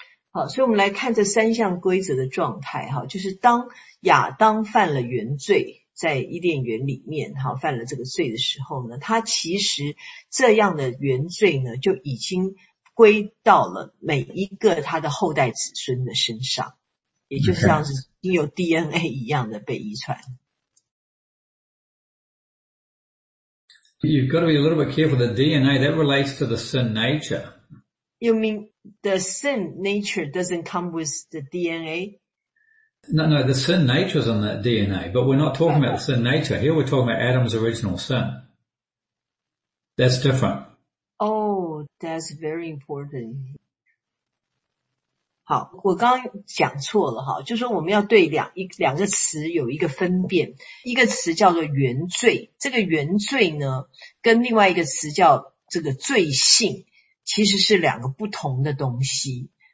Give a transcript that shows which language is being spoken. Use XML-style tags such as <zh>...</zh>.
<zh>好，所以我们来看这三项规则的状态哈，就是当亚当犯了原罪，在伊甸园里面哈犯了这个罪的时候呢，他其实这样的原罪呢就已经归到了每一个他的后代子孙的身上，也就是像是经由 DNA 一样的被遗传。</zh> <en>You've got to be a little bit careful. The DNA that relates to the sin nature. You mean the sin nature doesn't come with the DNA? No. The sin nature is on that DNA, but we're not talking about the sin nature here. We're talking about Adam's original sin. That's different. Oh, that's very important.</en> <zh>好，我刚刚讲错了哈，就是说我们要对两个词有一个分辨，一个词叫做原罪，这个原罪呢，跟另外一个词叫这个罪性，其实是两个不同的东西。</zh>